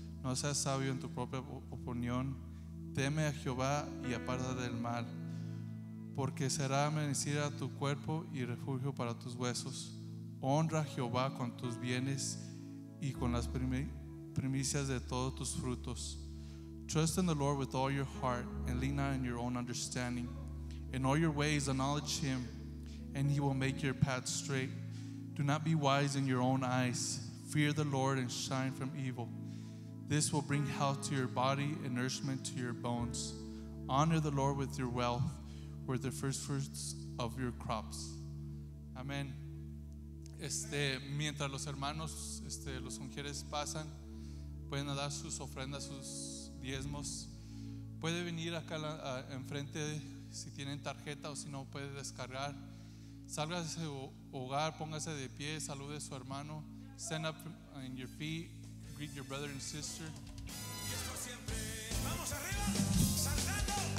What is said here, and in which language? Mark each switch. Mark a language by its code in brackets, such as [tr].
[es] No seas sabio en tu propia opinión. Teme a Jehová y apártate del mal, porque será amanecida tu cuerpo y refugio para tus huesos. Honra a Jehová con tus bienes y con las primicias de todos tus frutos. [en] Trust in the Lord with all your heart and lean not on your own understanding. In all your ways acknowledge Him, and He will make your path straight. Do not be wise in your own eyes. Fear the Lord and shun from evil. This will bring health to your body and nourishment to your bones. Honor the Lord with your wealth, with the first fruits of your crops. Amen. [es] Mientras los hermanos, los ungieres pasan, pueden dar sus ofrendas, sus diezmos. Puede venir acá enfrente si tienen tarjeta o si no, puede descargar. Salga de su hogar, póngase de pie, salude a su hermano. [en] Stand up on your feet, greet your brother and sister. [es] Vamos arriba.